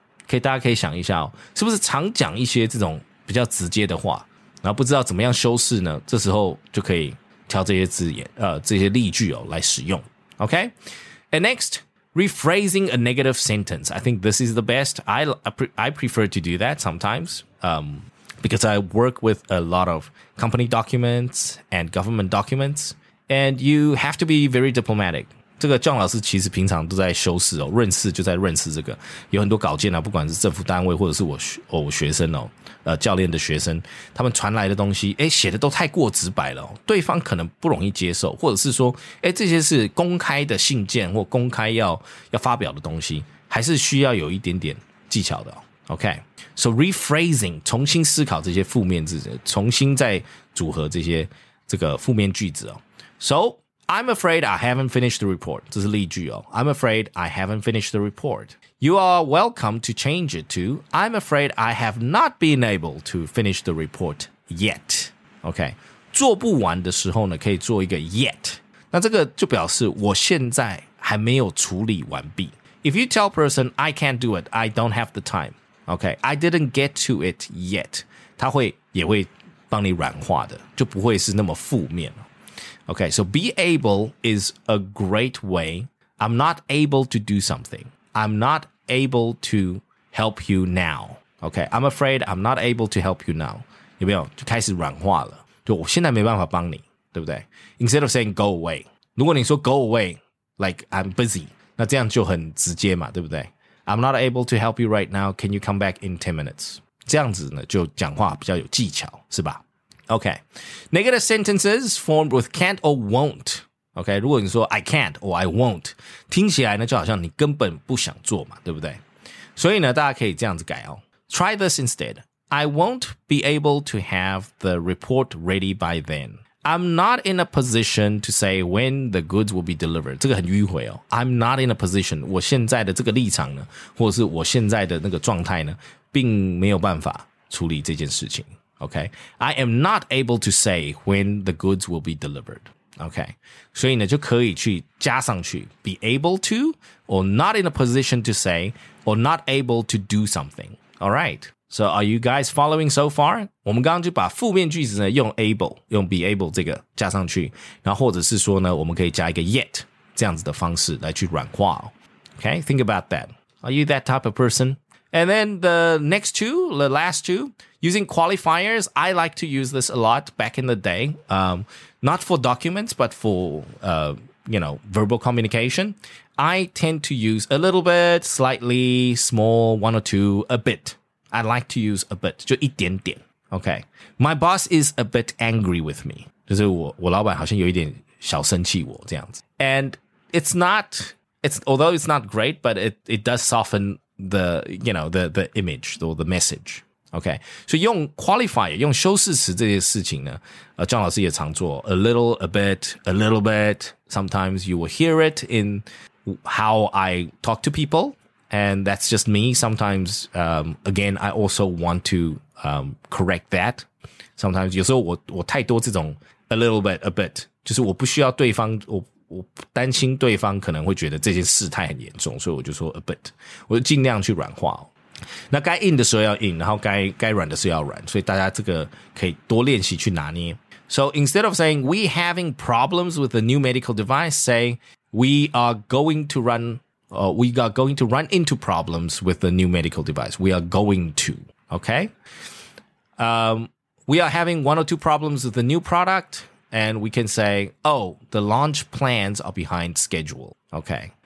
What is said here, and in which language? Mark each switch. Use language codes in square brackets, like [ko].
[zh] Okay, 大家可以想一下哦，是不是常讲一些这种比较直接的话，然后不知道怎么样修饰呢？这时候就可以挑这些字眼，这些例句哦，来使用。 [en] Okay, and next,rephrasing a negative sentence. I think this is the best. I prefer to do that sometimes, because I work with a lot of company documents and government documents, and you have to be very diplomatic. [zh] 这个John老师其实平常都在修饰哦，认识就在认识这个，有很多稿件啊，不管是政府单位或者是我学生哦，教练的学生，他们传来的东西，哎，写的都太过直白了，对方可能不容易接受，或者是说，哎，这些是公开的信件或公开要发表的东西，还是需要有一点点技巧的。 [en] OK, so rephrasing, [zh] 重新思考这些负面字，重新再组合这些这个负面句子哦。 [en] So I'm afraid I haven't finished the report. [zh] 这是例句哦。 [en] I'm afraid I haven't finished the report. You are welcome to change it to, I'm afraid I have not been able to finish the report yet. [zh] Okay, 做不完的时候呢，可以做一个 yet. 那这个就表示我现在还没有处理完毕。 [en] If you tell person, I can't do it, I don't have the time. Okay, I didn't get to it yet. [zh] 他会也会帮你软化的，就不会是那么负面。 [en] Okay, so be able is a great way. I'm not able to do something. I'm not able to help you now. Okay, I'm afraid I'm not able to help you now. [zh] 有没有就开始软化了？就我现在没办法帮你，对不对？ [en] Instead of saying go away. [zh] 如果你说 [en] go away, like I'm busy, [zh] 那这样就很直接嘛，对不对？ [en] I'm not able to help you right now. Can you come back in 10 minutes? [zh] 这样子呢，就讲话比较有技巧，是吧？ [en] Okay, negative sentences formed with can't or won't. [zh] OK, 如果你说 [en] I can't or I won't, [zh] 听起来呢就好像你根本不想做嘛，对不对？所以呢大家可以这样子改哦。 [en] Try this instead. I won't be able to have the report ready by then. I'm not in a position to say when the goods will be delivered. [zh] 这个很迂回哦。 [en] I'm not in a position. [zh] 我现在的这个立场呢，或者是我现在的那个状态呢，并没有办法处理这件事情。 [en] OK, I am not able to say when the goods will be delivered. OK, [zh] 所以呢就可以去加上去 [en] be able to or not in a position to say or not able to do something. Alright, so are you guys following so far? [zh] 我们刚刚就把负面句子呢用 able, 用 be able 这个加上去，然后或者是说呢我们可以加一个 yet 这样子的方式来去软化、哦、 [en] OK, think about that. Are you that type of person? And then the next two, the last two, using qualifiers, I like to use this a lot back in the day. Not for documents, but for, you know, verbal communication. I tend to use a little bit, slightly, small, one or two, a bit. I like to use a bit, [zh] 就一点点, [en] okay? My boss is a bit angry with me. [zh] 就是我老板好像有一点小生气我这样子. [en] And it's not, it's although it's not great, but it does soften the, you know, the image or the message, okay? [zh] 所以用 [en] qualifier, [zh] 用修饰词这些事情呢, [en] John [zh] 老师也常做, [en] a little bit, sometimes you will hear it in how I talk to people, and that's just me. Sometimes, again, I also want to correct that. [zh] Sometimes, 有时候我太多这种 [en] a little bit, [zh] 就是我不需要对方, 我担心对方可能会觉得这件事态很严重, 所以我就说 a bit, 我就尽量去软化。那该硬的时候要硬, 然后该软的时候要软, 所以大家这个可以多练习去拿捏。 [en] So instead of saying, we having problems with the new medical device, say, we are going to run into problems with the new medical device. We are going to, okay? We are having one or two problems with the new product, and we can say, oh, the launch plans are behind schedule, okay?